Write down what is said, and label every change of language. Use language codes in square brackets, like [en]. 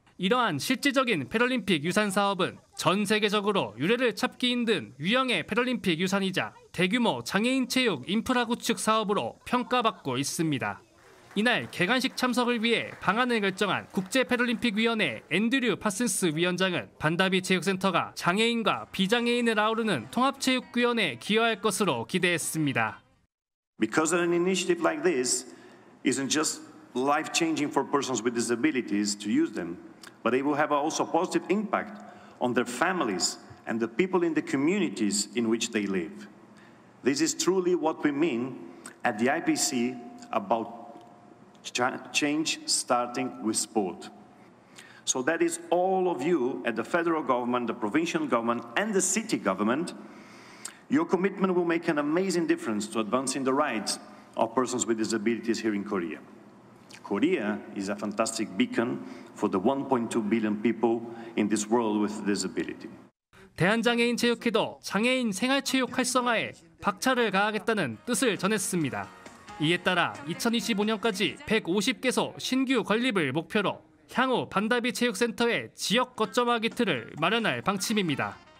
[ko] 이러한 실질적인 패럴림픽 유산 사업은 전 세계적으로 유례를 찾기 힘든 유형의 패럴림픽 유산이자 대규모 장애인 체육 인프라 구축 사업으로 평가받고 있습니다. 이날 개관식 참석을 위해 방안을 결정한 국제패럴림픽위원회 앤드류 파슨스 위원장은 반다비 체육센터가 장애인과 비장애인을 아우르는 통합체육구현에 기여할 것으로 기대했습니다. [en] Because an initiative like this isn't just life-changing for persons with disabilities to use them, but it will have also positive impact on their families and the people in the communities in which they live. This is truly what we mean at the IPC about change starting with sport. So that is all of you at the federal government, the provincial government, and the city government. Your commitment will make an amazing difference to advancing the rights of persons with disabilities here in Korea. Korea is a fantastic beacon for the 1.2 billion people in this world with disability. [ko] 대한장애인체육회도 장애인 생활체육 활성화에 박차를 가하겠다는 뜻을 전했습니다. 이에 따라 2025년까지 150개소 신규 건립을 목표로 향후 반다비 체육센터의 지역 거점화 기틀을 마련할 방침입니다.